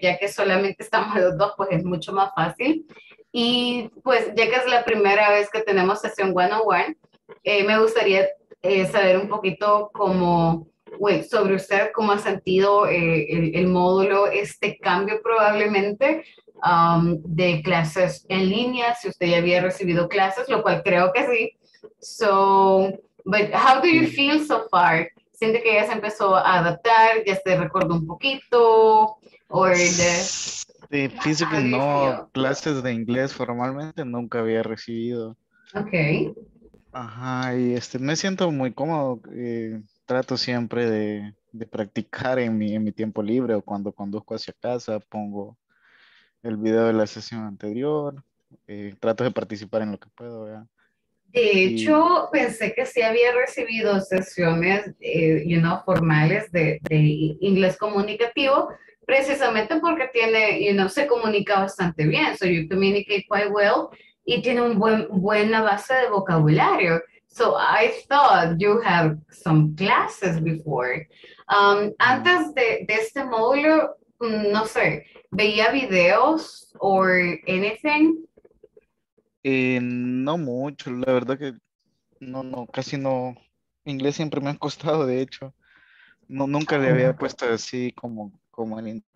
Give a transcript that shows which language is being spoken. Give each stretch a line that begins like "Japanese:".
Spanish: Ya que solamente estamos los dos, pues es mucho más fácil. Y pues, ya que es la primera vez que tenemos sesión one-on-one, me gustaría saber un poquito cómo... Bueno, sobre usted, ¿cómo ha sentido el módulo, este cambio probablemente de clases en línea? Si usted ya había recibido clases, lo cual creo que sí.
English: So, but how do you feel so far?
Spanish: ¿Siente que ya se empezó a adaptar? ¿Ya se recordó un poquito? Sí, pienso que no, clases de inglés formalmente nunca había recibido. Ok. Ajá, y me siento muy cómodo. Trato siempre de practicar en mi tiempo libre o cuando conduzco hacia casa, pongo el video de la sesión anterior, trato de participar en lo que puedo, ¿verdad? De hecho, pensé que sí había recibido sesiones, you know, formales de inglés comunicativo, precisamente porque tiene, you know, se comunica bastante bien,
English: so you communicate quite well,
Spanish: y tiene un buena base de vocabulario.
English: So I thought you have some classes before.
Spanish: Antes de este módulo, no sé, ¿veía videos
English: or anything?
Spanish: No mucho, la verdad que no, casi no. Inglés siempre me ha costado, de hecho. No, nunca le había puesto así como en inglés.